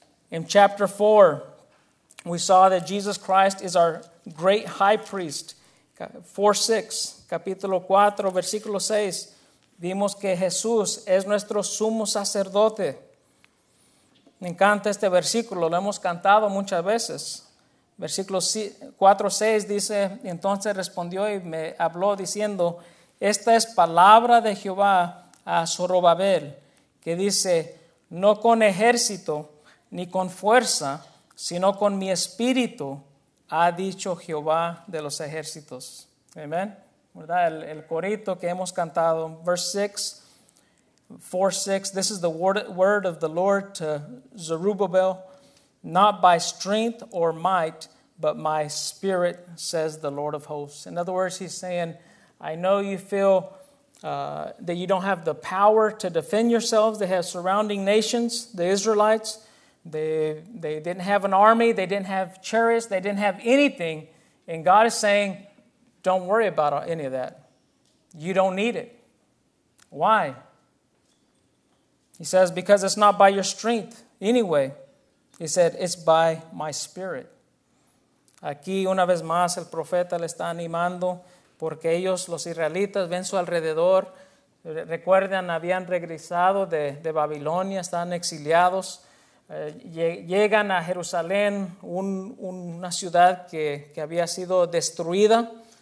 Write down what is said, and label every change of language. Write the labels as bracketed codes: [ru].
[en] In chapter 4, we saw that Jesus Christ is our great high priest. [es] 4:6, capítulo 4, versículo 6. Vimos que Jesús es nuestro sumo sacerdote. Me encanta este versículo, lo hemos cantado muchas veces. Versículo 4:6 dice, entonces respondió y me habló diciendo, esta es palabra de Jehová a Zorobabel, que dice, no con ejército ni con fuerza, sino con mi espíritu, ha dicho Jehová de los ejércitos. Amén. ¿Verdad? El corito que hemos cantado, [en] verse 4:6, this is the word of the Lord to Zerubbabel, not by strength or might, but my spirit, says the Lord of hosts. In other words, he's saying, I know you feel that you don't have the power to defend yourselves. They have surrounding nations, the Israelites. They didn't have an army. They didn't have chariots. They didn't have anything. And God is saying, don't worry about any of that. You don't need it. Why? He says, because it's not by your strength anyway. He said, it's by my spirit. [es] Aquí una vez más el profeta le está animando porque ellos, los israelitas, ven su alrededor. Recuerdan, habían regresado de Babilonia, están exiliados. Llegan a Jerusalén, una ciudad que había sido destruida.